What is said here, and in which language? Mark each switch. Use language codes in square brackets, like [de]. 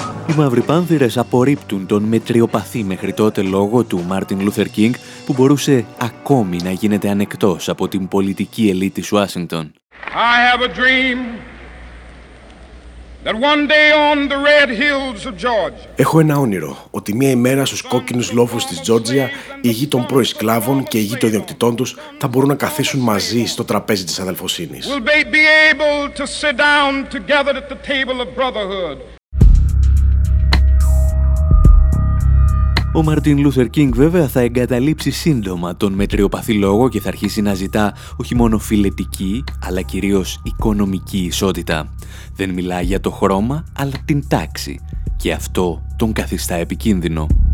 [el] Οι μαύροι πάνθυρες απορρίπτουν τον μετριοπαθή μέχρι τότε λόγο του Μάρτιν Λούθερ Κίνγκ, που μπορούσε ακόμη να γίνεται ανεκτός από την πολιτική ελίτ της Ουάσιγκτον. [en] I have a dream that one day on the red hills of Georgia. [el] Έχω ένα όνειρο ότι μια ημέρα στους κόκκινους λόφους της Τζόρτζια οι γη των προϊσκλάβων και οι γη των ιδιοκτητών τους θα μπορούν να καθίσουν μαζί στο τραπέζι της αδελφοσύνης. [en] Will they be able to sit down together at the table of brotherhood? [el] Ο Μάρτιν Λούθερ Κίνγκ βέβαια θα εγκαταλείψει σύντομα τον μετριοπαθή λόγο και θα αρχίσει να ζητά όχι μόνο φιλετική, αλλά κυρίως οικονομική ισότητα. Δεν μιλά για το χρώμα, αλλά την τάξη. Και αυτό τον καθιστά επικίνδυνο.